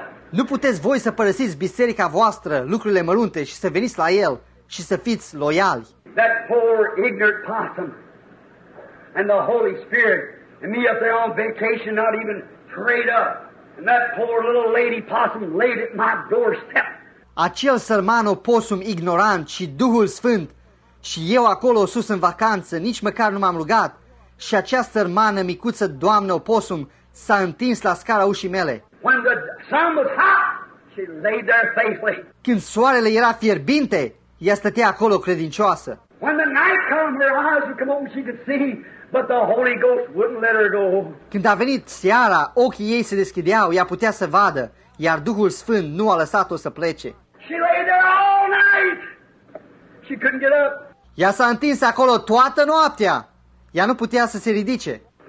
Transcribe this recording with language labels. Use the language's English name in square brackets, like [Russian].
[Romanian] Nu puteți voi să părăsiți biserica voastră, lucrurile mărunte, și să veniți la El și să fiți loiali. [English] That poor ignorant possum and the Holy Spirit and me up there on vacation, not even prayed up. And that poor little lady possum laid at my doorstep. [Romanian] Acel sărman oposum ignorant și Duhul Sfânt și eu acolo sus în vacanță, nici măcar nu m-am rugat. Și acea sărmană micuță doamnă oposum s-a întins la scara ușii mele. [English] When the sun was hot, she lay there faithfully. [Romanian] Când soarele era fierbinte, ea stătea acolo credincioasă. [English] When the night came, her eyes would come open, she could see, but the Holy Ghost wouldn't let her go. [Romanian] Când a venit seara, ochii ei se deschideau, ea putea să vadă, iar Duhul Sfânt nu a lăsat-o să plece. [English] She lay there all night. She couldn't get up. [Romanian] Ea s-a întins acolo toată noaptea. Ea nu putea să se ridice.